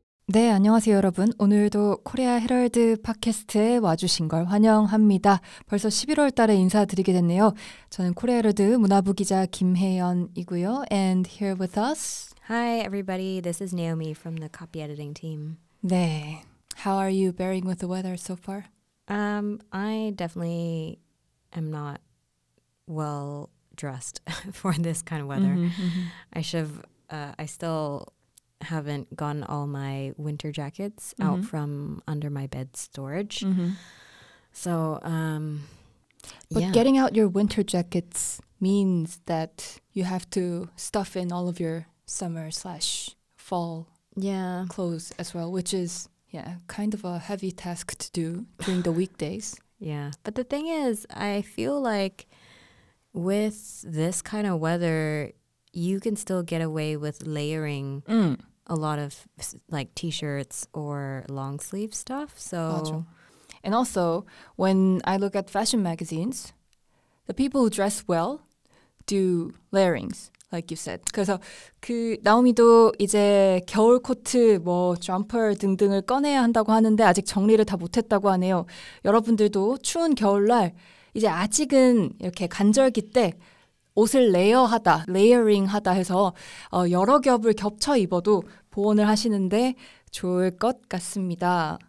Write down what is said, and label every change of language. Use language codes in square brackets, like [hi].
[ko] 네, 안녕하세요 여러분. 오늘도 코리아 헤럴드 팟캐스트에 와주신 걸 환영합니다. 벌써 11월 달에 인사드리게 됐네요. 저는 코리아 헤럴드 문화부 기자 김혜연이고요. [en] And here with us. Hi everybody, this is Naomi from the copy editing team. 네, how are you bearing with the weather so far? I definitely am not well dressed for this kind of weather. Mm-hmm. I haven't gotten all my winter jackets mm-hmm. out from under my bed storage. Mm-hmm. So, But yeah. Getting out your winter jackets means that you have to stuff in all of your summer/fall yeah. clothes as well, which is yeah, kind of a heavy task to do during the weekdays. Yeah, but the thing is, I feel like with this kind of weather, you can still get away with layering a lot of like t-shirts or long sleeve stuff. So, and also when I look at fashion magazines, the people who dress well do layerings, like you said. [ko] 그래서 그 나오미도 이제 겨울 코트 뭐 점퍼 등등을 꺼내야 한다고 하는데 아직 정리를 다 못했다고 하네요. 여러분들도 추운 겨울날 이제 아직은 이렇게 간절기 때 옷을 레이어하다, 레이어링하다 해서 여러 겹을 겹쳐 입어도 보온을 하시는데 좋을 것 같습니다.